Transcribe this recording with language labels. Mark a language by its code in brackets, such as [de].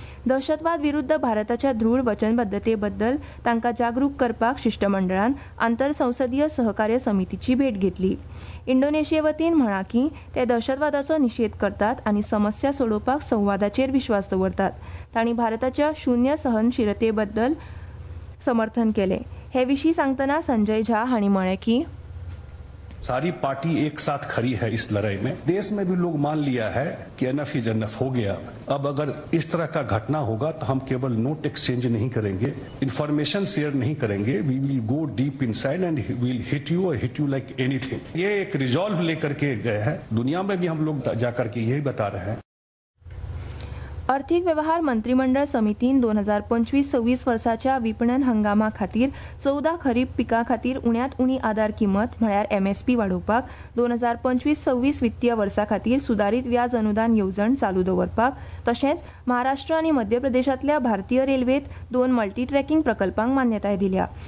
[gom] दहशतवाद विरुद्ध भारताच्या दृढ वचनबद्धतेबद्दल तांकां जागरूक करपाक शिष्टमंडळान आंतरसंसदीय सहकार्य समितीची भेट घेतली. इंडोनेशिये वतीन म्हणा की ते दहशतवादाचो निषेध करतात आणि समस्या सोडोवपाक संवादाचेर विश्वास दवरतात. तांणी भारताच्या शून्य सहनशीलतेबद्दल समर्थन केले. हे विषयी सांगताना संजय झा हांणी म्हळें की [hi] सारी पार्टी एक साथ खड़ी है इस लड़ाई में. देश में भी लोग मान लिया है कि एनएफ इज एनएफ हो गया. अब अगर इस तरह का घटना होगा तो हम केवल नोट एक्सचेंज नहीं करेंगे, इन्फॉर्मेशन शेयर नहीं करेंगे. [en] We will go deep inside and will hit you like anything. [hi] ये एक रिजॉल्व लेकर के गए हैं. दुनिया में भी हम लोग जाकर के यही बता रहे हैं. [gom] आर्थिक व्यवहार मंत्रिमंडळ समितीन 2025-26 वर्षाच्या विपणन हंगामा खातीर 14 खरीप पिका खातीर उण्यात उणी आधार किंमत म्हळ्यार एमएसपी वाढोवपाक 2025-26 वित्तीय वर्सा खातीर सुधारित व्याज अनुदान येवजण चालू दवरपाक तशेंच महाराष्ट्र आणि मध्य प्रदेशातल्या भारतीय रेल्वेत दोन मल्टीट्रॅकिंग प्रकल्पांक मान्यताय दिल्या.